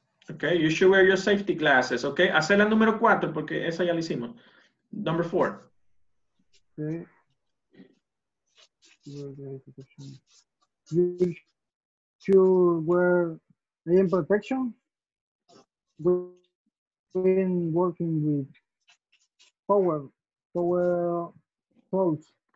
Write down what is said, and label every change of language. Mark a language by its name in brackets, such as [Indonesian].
[English] Okay, you should wear your safety glasses, okay? [Spanish] Hacer la número cuatro, porque esa ya la hicimos. [English] Number four. Okay. You should wear hand protection when working with power tools.